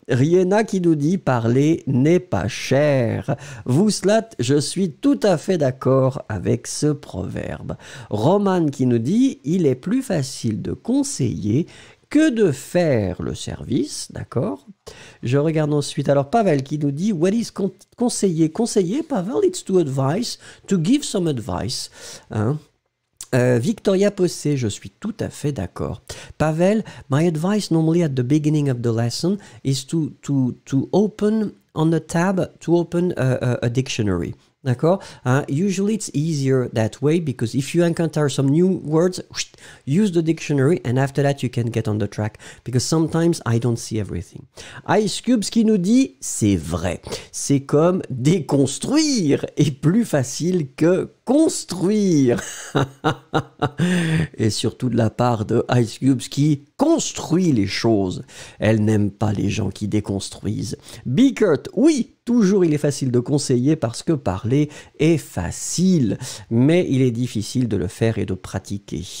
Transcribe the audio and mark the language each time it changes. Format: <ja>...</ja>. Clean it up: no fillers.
<fr>Riena qui nous dit, parler n'est pas cher. Vouslat, je suis tout à fait d'accord avec ce proverbe. Roman qui nous dit, il est plus facile de conseiller que de faire le service, d'accord? Je regarde ensuite, alors Pavel qui nous dit,</fr> <en>what is</en> <fr>conseiller?</fr> <en>Conseiller, Pavel, it's to advise, to give some advice.</en> <fr>Hein? Victoria Possé, je suis tout à fait d'accord.</fr> <en>Pavel, my advice normally at the beginning of the lesson is to open on a tab, to open a dictionary. D'accord? Usually it's easier that way because if you encounter some new words, use the dictionary and after that you can get on the track because sometimes I don't see everything.</en> <fr>Ice Cube, ce qui nous dit, c'est vrai. C'est comme déconstruire est plus facile que construire. Et surtout de la part de Ice Cube qui construit les choses. Elle n'aime pas les gens qui déconstruisent. Bickert, oui, toujours il est facile de conseiller parce que parler est facile, mais il est difficile de le faire et de pratiquer.</fr>